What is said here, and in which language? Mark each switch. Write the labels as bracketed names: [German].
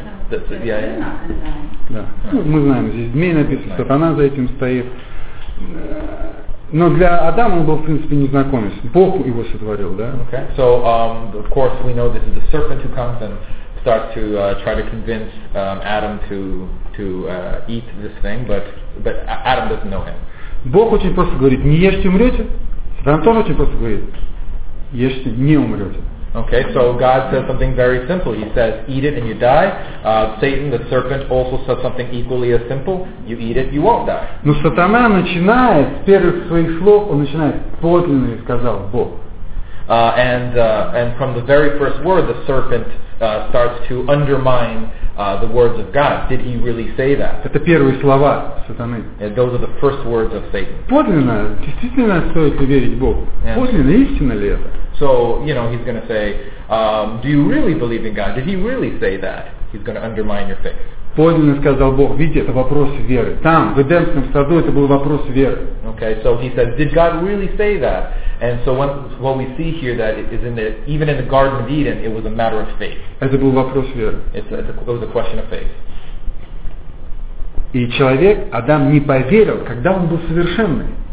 [Russian] Мы знаем, здесь змей написан, сатана за этим стоит. Но для Адама он был, в принципе, незнакомец. Бог его сотворил, да? [English] Okay. So, of course, we know this is the serpent who comes and starts to try to convince Adam to eat this thing, but Adam doesn't know him. [Russian] Бог очень просто говорит, не ешьте, умрете. Сатана тоже очень просто говорит. Ешьте, не умрете. [English] Okay, so God says something very simple. He says, eat it and you die. Satan, the serpent, also says something equally as simple. You eat it, you won't die. [Russian] Но сатана начинает, с первых своих слов, он начинает, подлинно сказал Бог. [English] And from the very first word, the serpent starts to undermine the words of God. Did he really say that? [Russian] Это первые слова сатаны. [English] And those are the first words of Satan. [Russian] Подлинно, действительно стоит ли верить Богу? [English] Yeah. [Russian] Подлинно, истинно ли это? [English] So, you know, he's going to say, do you really believe in God? Did he really say that? He's going to undermine your faith. [Russian] Подлинно сказал Бог, видите, это вопрос веры. Там, в Эдемском саду, это был вопрос веры. [English] Okay, so he said, did God really say that? And so what we see here that is in the even in the Garden of Eden it was a matter of faith. [Russian] Это был вопрос веры. [English] It was a question of faith. [Russian] И человек Адам не поверил, когда он был совершенный.